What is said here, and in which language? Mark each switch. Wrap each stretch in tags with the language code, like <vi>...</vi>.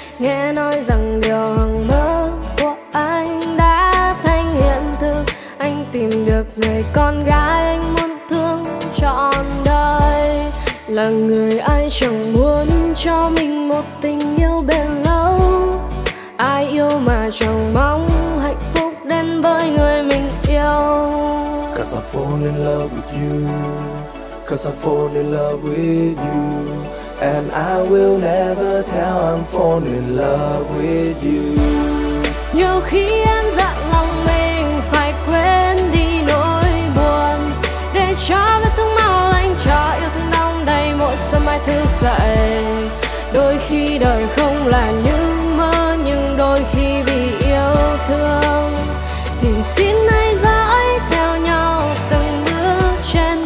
<vi>Nghe nói rằng điều hằng mơ của anh đã thành hiện thực, anh tìm được người con gái anh muốn thương trọn đời. Là người ai chẳng muốn cho mình một tình yêu bền lâu, ai yêu mà chẳng mong hạnh phúc đến với người mình yêu.</vi> <en>'Cause I fall in love with you, 'cause I fall in love with you, and I will never tell I'm falling in love with you.</en> <vi>Nhiều khi em dặn lòng mình phải quên đi nỗi buồn, để cho vết thương mau lành, cho yêu thương đong đầy mỗi sớm mai thức dậy. Đôi khi đời không là như mơ, nhưng đôi khi vì yêu thương thì xin hãy dõi theo nhau từng bước trên đường.</vi>